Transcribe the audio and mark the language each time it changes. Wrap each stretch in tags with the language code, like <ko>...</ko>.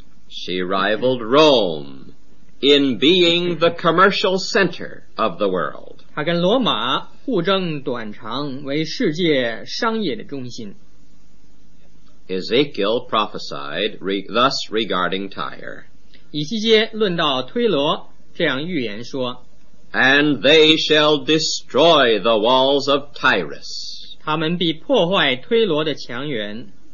<en>She rivaled Rome in being the commercial center of the world.</en> <zh>她跟罗马互争短长，为世界商业的中心。</zh> <en>Ezekiel prophesied thus regarding Tyre.</en> <zh>以西结论到推罗这样预言说</zh> <en>And they shall destroy the walls of Tyrus.</en> <zh>他们必破坏推罗的墙垣</zh>